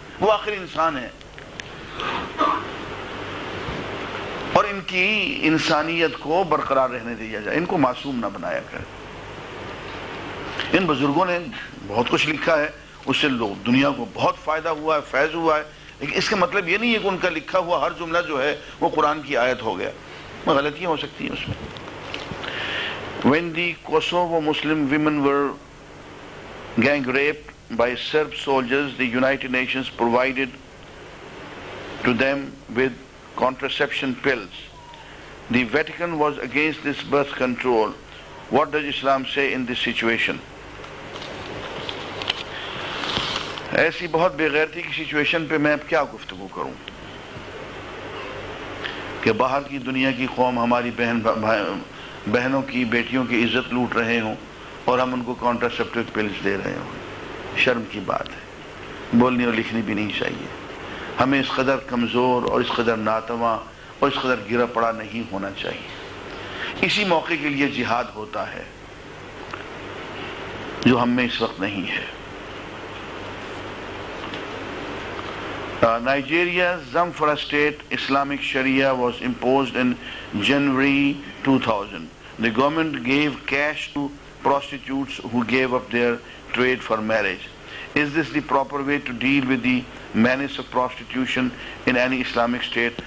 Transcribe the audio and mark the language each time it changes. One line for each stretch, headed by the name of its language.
Urdu: وہ آخر انسان ہے اور ان کی انسانیت کو برقرار رہنے دیا جائے, ان کو معصوم نہ بنایا کرے. ان بزرگوں نے بہت کچھ لکھا ہے, اس سے لوگ دنیا کو بہت فائدہ ہوا ہے, فیض ہوا ہے, لیکن اس کا مطلب یہ نہیں ہے کہ ان کا لکھا ہوا ہر جملہ جو ہے وہ قرآن کی آیت ہو گیا. غلطیاں ہو سکتی ہیں اس میں.
English: When the Kosovo Muslim women were gang raped by Serb soldiers, the United Nations provided to them with contraception pills. The Vatican was against this birth control. What does Islam say in this situation?
Urdu: ایسی بہت بےغیرتی کی situation پہ میں اب کیا گفتگو کروں کہ باہر کی دنیا کی قوم ہماری بہنوں کی بیٹیوں کی عزت لوٹ رہے ہوں اور ہم ان کو کانٹراسیپٹو پلز دے رہے ہوں. شرم کی بات ہے, بولنی اور لکھنی بھی نہیں چاہیے. ہمیں اس قدر کمزور اور اس قدر ناتواں اور اس قدر گرا پڑا نہیں ہونا چاہیے. اسی موقع کے لیے جہاد ہوتا ہے جو ہم میں اس وقت نہیں ہے.
English: Nigeria's Zamfara State Islamic Sharia was imposed in January 2000. The government gave cash to prostitutes who gave up their trade for marriage. Is this the proper way to deal with the menace of prostitution in any Islamic state?